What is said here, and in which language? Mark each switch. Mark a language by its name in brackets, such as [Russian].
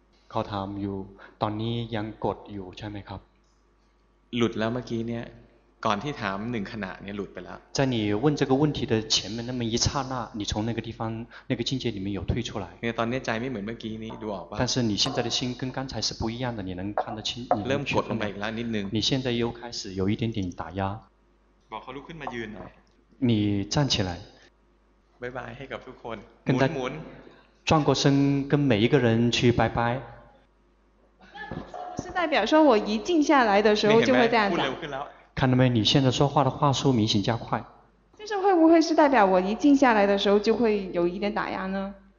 [Thai] เขาถามอยู่ตอนนี้ยังกดอยู่ใช่ไหมครับ หลุดแล้วเมื่อกี้เนี่ยก่อนที่ถามหนึ่งขณะเนี่ยหลุดไปแล้ว [Chinese] 在你问这个问题的前面那么一刹那你从那个地方那个境界里面有退出来 [Thai] ตอนนี้ใจไม่เหมือนเมื่อกี้นี้ดูออกป่ะ [Chinese] 但是你现在的心跟刚才是不一样的你能看得清 [Thai] เริ่มกดลงไปอีกแล้วนิดนึง [Chinese] 你现在又开始有一点点打压 [Thai] บอกเขาลุกขึ้นมายืนหน่อย [Chinese] 你站起来 [Thai] บ๊ายบายให้กับทุกคนหมุนหมุน [Chinese] 转过身跟每一个人去拜拜是代表说我一静下来的时候就会这样子看到没你现在说话的话速明显加快就是会不会是代表我一静下来的时候就会有一点打压呢